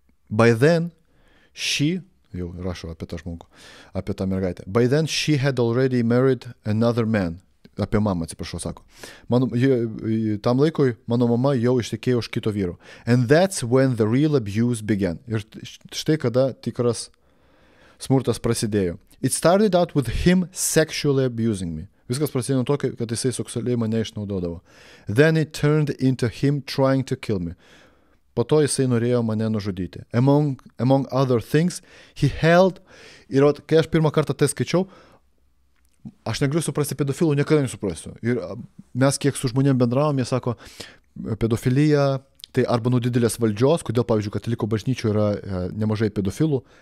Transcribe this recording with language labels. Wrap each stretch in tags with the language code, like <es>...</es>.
<en>By then, she,</en> <lt>jau rašo apie tą žmogų, apie tą mergaitę.</lt> <en>By then, she had already married another man.</en> <lt>apie mamą, atsiprašau, sako. Mano, tam laikui mano mama jau ištekėjo už kito vyro.</lt> <en>And that's when the real abuse began.</en> <lt>Ir štai kada tikras smurtas prasidėjo.</lt> <en>It started out with him sexually abusing me.</en> <lt>Viskas prasidėjo nuo to, kad jisai seksualiai mane išnaudodavo.</lt> <en>Then it turned into him trying to kill me.</en> <lt>Po to jisai norėjo mane nužudyti.</lt> <en>Among other things, he held...</en> <lt>Ir at, kai aš pirmą kartą tai skaičiau, aš negaliu suprasti pedofilų, niekada nesuprasiu. Ir mes kiek su žmonėm bendravom, jie sako, pedofilija, tai arba nuo didelės valdžios, kodėl, pavyzdžiui, Katalikų bažnyčių yra nemažai pedofilų.</lt>